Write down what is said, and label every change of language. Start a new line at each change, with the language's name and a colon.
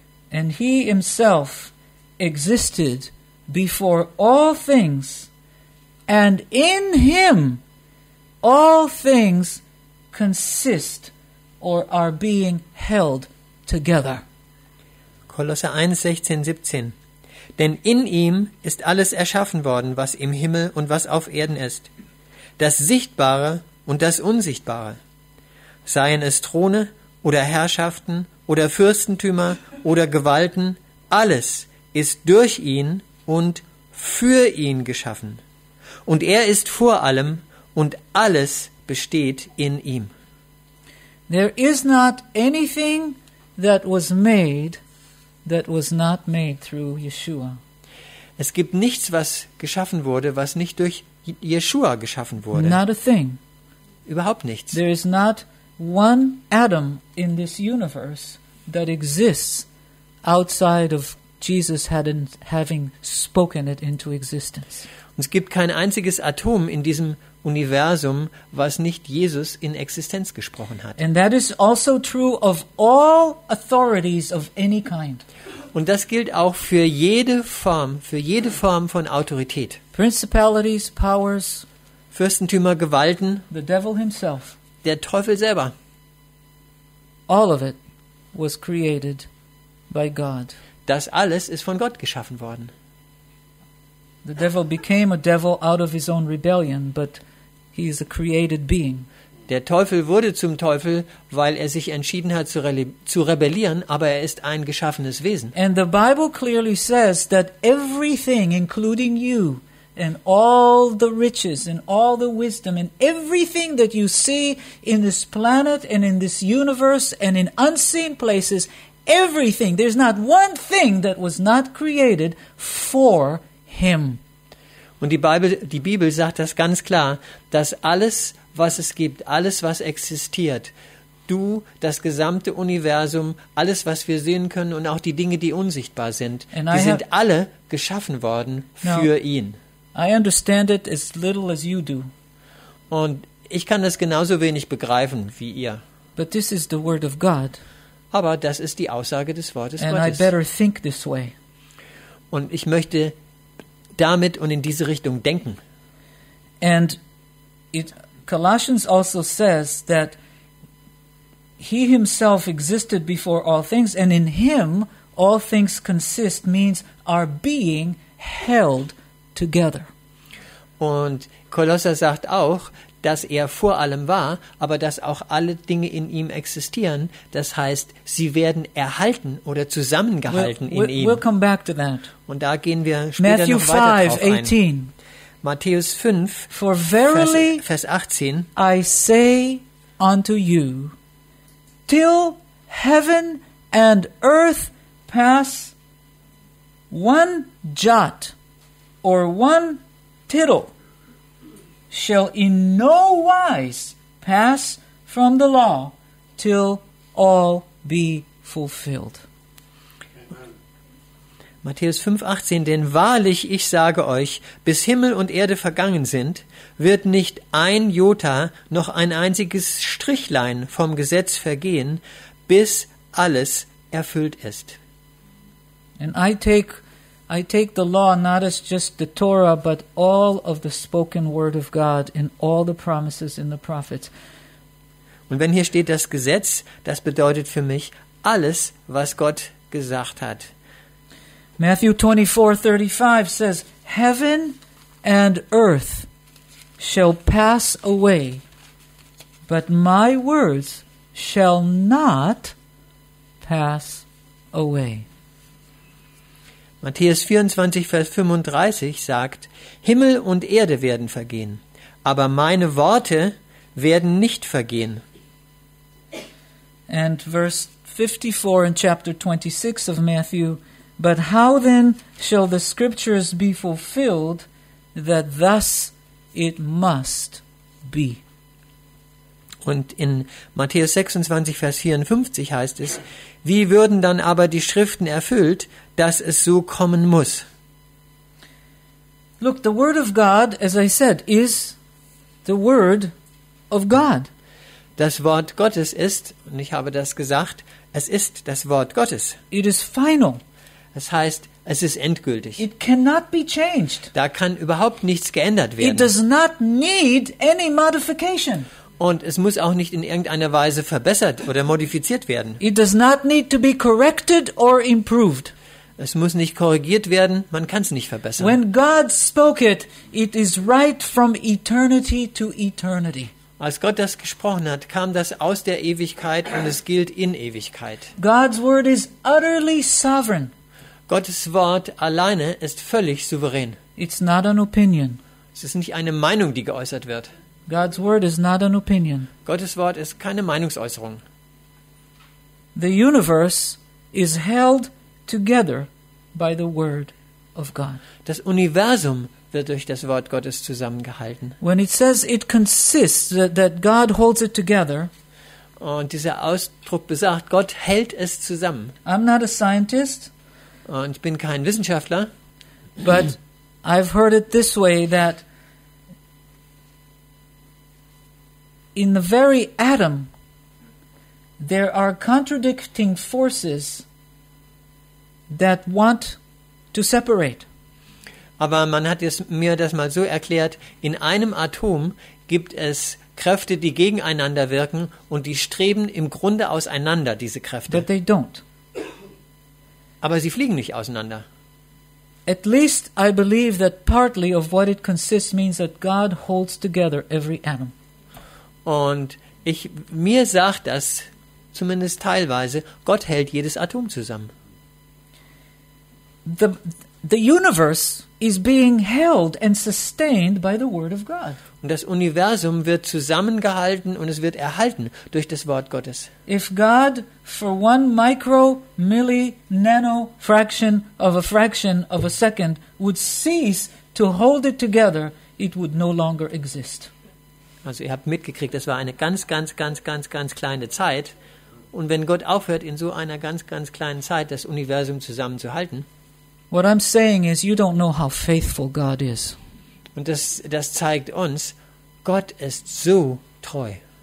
English: And he himself existed before all things, and in him all things consist or are being held together.
German: Kolosser 1:16-17. Denn in ihm ist alles erschaffen worden, was im Himmel und was auf Erden ist, das Sichtbare und das Unsichtbare, seien es Throne oder Herrschaften oder Fürstentümer oder Gewalten, alles ist durch ihn und für ihn geschaffen. Und er ist vor allem und alles besteht in ihm.
English: There is not anything that was made that was not made through Yeshua.
German: Es gibt nichts, was geschaffen wurde, was nicht durch Yeshua geschaffen wurde.
English: Not a thing.
German: Überhaupt nichts.
English: There is not one atom in this universe that exists outside of Jesus having spoken it into existence.
German: Und es gibt kein einziges Atom in diesem Universum, was nicht Jesus in Existenz gesprochen hat.
English: And that is also true of all authorities of any kind.
German: Und das gilt auch für jede Form von Autorität.
English: Principalities, powers,
German: Fürstentümer, Gewalten,
English: the devil himself,
German: der Teufel selber.
English: All of it was created by God.
German: Das alles ist von Gott geschaffen worden.
English: The devil became a devil out of his own rebellion, but he is a created being.
German: Der Teufel wurde zum Teufel, weil er sich entschieden hat zu rebellieren, aber er ist ein geschaffenes Wesen.
English: And the Bible clearly says that everything, including you, and all the riches and all the wisdom and everything that you see in this planet and in this universe and in unseen places, everything, there's not one thing that was not created for him.
German: Und die Bibel sagt das ganz klar, dass alles, was es gibt, alles, was existiert, du, das gesamte Universum, alles, was wir sehen können und auch die Dinge, die unsichtbar sind, die sind alle geschaffen worden für ihn.
English: I understand it as little as you do.
German: Und ich kann das genauso wenig begreifen wie ihr.
English: But this is the word of God.
German: Aber das ist die Aussage des Wortes
English: and
German: Gottes.
English: I better think this way.
German: Und ich möchte damit und in diese Richtung denken.
English: And Colossians also says that he himself existed before all things, and in him all things consist means are being held together.
German: Und Kolosser sagt auch, dass er vor allem war, aber dass auch alle Dinge in ihm existieren. Das heißt, sie werden erhalten oder zusammengehalten in ihm.
English: We'll come back to that.
German: Und da gehen wir später noch weiter drauf ein. Matthäus 5,
English: For verily
German: Vers 18.
English: I say unto you, till heaven and earth pass, one jot or one tittle shall in no wise pass from the law till all be fulfilled.
German: Matthäus 5:18, denn wahrlich ich sage euch, bis Himmel und Erde vergangen sind, wird nicht ein Jota noch ein einziges Strichlein vom Gesetz vergehen, bis alles erfüllt ist.
English: And I take the law not as just the Torah, but all of the spoken word of God and all the promises in the prophets.
German: Und wenn hier steht das Gesetz, das bedeutet für mich alles, was Gott gesagt hat.
English: Matthew 24:35 says, "Heaven and earth shall pass away, but my words shall not pass away."
German: Matthäus 24, Vers 35 sagt, Himmel und Erde werden vergehen, aber meine Worte werden nicht vergehen.
English: And verse 54 in chapter 26 of Matthew, "But how then shall the scriptures be fulfilled, that thus it must be?"
German: Und in Matthäus 26, Vers 54 heißt es, wie würden dann aber die Schriften erfüllt, dass es so kommen muss?
English: Look, the word of God, as I said, is the word of God.
German: Das Wort Gottes ist, und ich habe das gesagt, es ist das Wort Gottes.
English: It is final.
German: Das heißt, es ist endgültig.
English: It cannot be changed.
German: Da kann überhaupt nichts geändert werden.
English: It does not need any modification.
German: Und es muss auch nicht in irgendeiner Weise verbessert oder modifiziert werden.
English: It does not need to be corrected or improved.
German: Es muss nicht korrigiert werden, man kann es nicht verbessern.
English: When God spoke it, it is right from eternity to eternity.
German: Als Gott das gesprochen hat, kam das aus der Ewigkeit und es gilt in Ewigkeit.
English: God's word is utterly sovereign.
German: Gottes Wort alleine ist völlig souverän.
English: It's not an opinion.
German: Es ist nicht eine Meinung, die geäußert wird.
English: God's word is not an opinion.
German: Gottes Wort ist keine Meinungsäußerung.
English: The universe is held together by the word of God.
German: Das Universum wird durch das Wort Gottes zusammengehalten.
English: When it says it consists, that God holds it together.
German: Und dieser Ausdruck besagt, Gott hält es zusammen.
English: I'm not a scientist.
German: Und ich bin kein Wissenschaftler.
English: But I've heard it this way, that in the very atom there are contradicting forces that want to separate.
German: Aber man hat es mir das mal so erklärt, in einem Atom gibt es Kräfte, die gegeneinander wirken und die streben im Grunde auseinander, diese Kräfte.
English: But they don't.
German: Aber sie fliegen nicht auseinander.
English: At least I believe that partly of what it consists means that God holds together every atom.
German: Und mir sagt das, zumindest teilweise, Gott hält jedes Atom zusammen.
English: The universe is being held and sustained by the word of God.
German: Und das Universum wird zusammengehalten und es wird erhalten durch das Wort Gottes.
English: If God for one micro, milli, nano fraction of a second would cease to hold it together, it would no longer exist.
German: Also ihr habt mitgekriegt, das war eine ganz kleine Zeit. Und wenn Gott aufhört, in so einer ganz kleinen Zeit das Universum zusammenzuhalten.
English: What I'm saying is, you don't know how faithful God is.
German: Und das zeigt uns, Gott ist so treu.